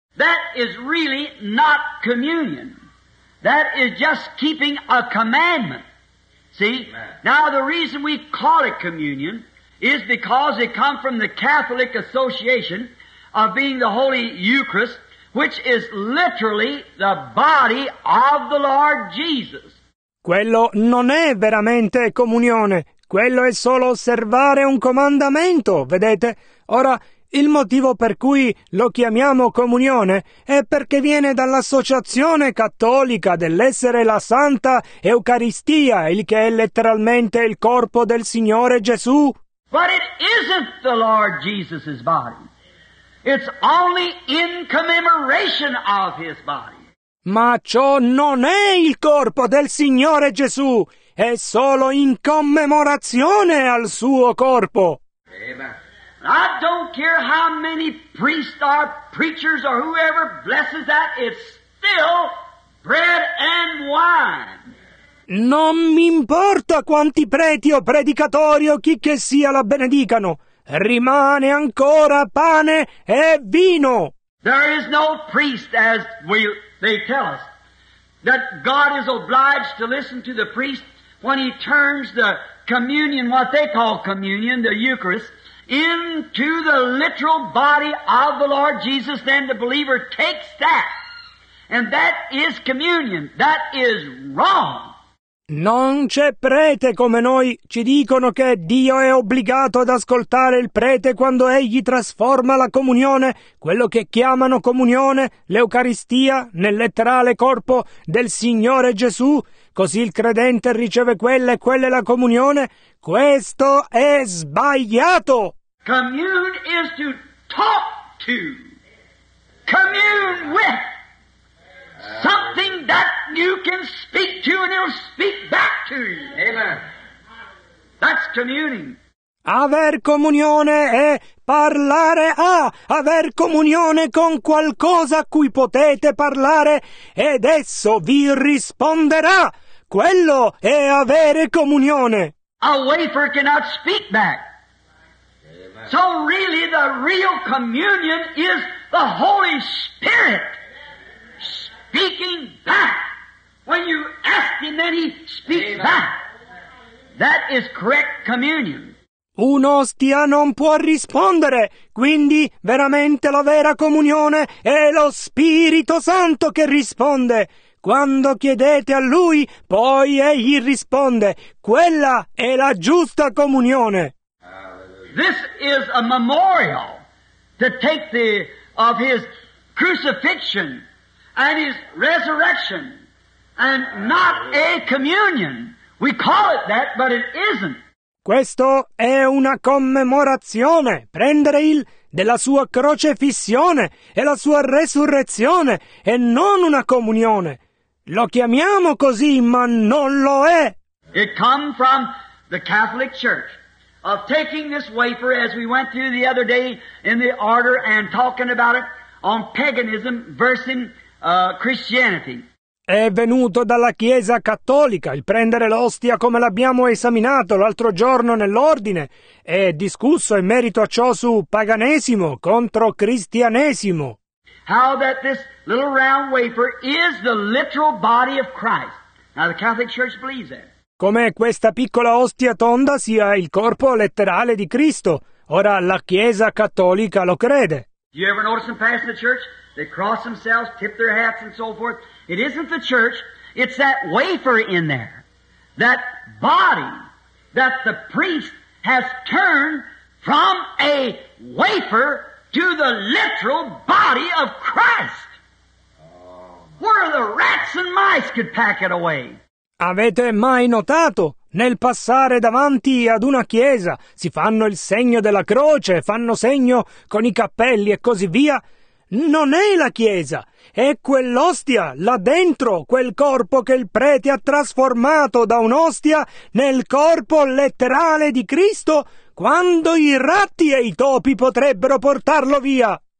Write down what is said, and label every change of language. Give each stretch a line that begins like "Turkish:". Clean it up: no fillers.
English: That is really not communion. That is just keeping a commandment. See? Now the reason we call it communion is because it comes from the Catholic association of being the Holy Eucharist, which is literally the body of the Lord Jesus.
Italian: Quello non è veramente comunione. Quello è solo osservare un comandamento, vedete? Ora, il motivo per cui lo chiamiamo comunione è perché viene dall'associazione cattolica dell'essere la Santa Eucaristia, il che è letteralmente il corpo del Signore Gesù.
English: But it isn't the Lord Jesus's body. It's only in commemoration of His body.
Italian: Ma ciò non è il corpo del Signore Gesù, è solo in commemorazione al suo corpo.
English: Amen. I don't care how many priests or preachers or whoever blesses that, it's still bread and wine.
Italian: Non mi importa quanti preti o predicatori o chi che sia la benedicano, rimane ancora pane e vino.
English: There is no priest, as they tell us, that God is obliged to listen to the priest when he turns the communion, what they call communion, the Eucharist, into the literal body of the Lord Jesus, then the believer takes that. And that is communion. That is wrong.
Italian: Non c'è prete come noi. Ci dicono che Dio è obbligato ad ascoltare il prete quando egli trasforma la comunione, quello che chiamano comunione, l'Eucaristia, nel letterale corpo del Signore Gesù. Così il credente riceve quella e quella è la comunione. Questo è sbagliato!
English: Commune is to talk to, commune with, something that you can speak to and it'll speak back to you. Amen. That's communing.
Italian: Aver comunione è parlare a, aver comunione con qualcosa a cui potete parlare ed esso vi risponderà. Quello è avere comunione.
English: A wafer cannot speak back. So really the real communion is the Holy Spirit speaking back. When you ask Him, then He speaks back. That is correct communion.
Italian: Un'ostia non può rispondere, quindi veramente la vera comunione è lo Spirito Santo che risponde. Quando chiedete a Lui, poi Egli risponde. Quella è la giusta comunione.
English: This is a memorial to take the of His crucifixion and His resurrection, and not a communion. We call it that, but it isn't.
Italian: Questo è una commemorazione, prendere il della sua crocefissione e la sua resurrezione, e non una comunione. Lo chiamiamo così, ma non lo è.
English: It come from the Catholic Church of taking this wafer, as we went through the other day in the order and talking about it, on paganism versus Christianity.
Italian: È venuto dalla Chiesa Cattolica il prendere l'ostia come l'abbiamo esaminato l'altro giorno nell'ordine e discusso in merito a ciò su paganesimo contro cristianesimo.
English: How that this little round wafer is the literal body of Christ. Now the Catholic Church believes that.
Italian: Come questa piccola ostia tonda sia il corpo letterale di Cristo. Ora la Chiesa Cattolica lo crede.
English: Do you ever notice them pass the church? They cross themselves, tip their hats and so forth. It isn't the church, it's that wafer in there, that body that the priest has turned from a wafer to the literal body of Christ. Where the rats and mice could pack it away.
Italian: Avete mai notato? Nel passare davanti ad una chiesa si fanno il segno della croce, fanno segno con i cappelli e così via. Non è la chiesa, è quell'ostia là dentro, quel corpo che il prete ha trasformato da un'ostia nel corpo letterale di Cristo, quando i ratti e i topi potrebbero portarlo via.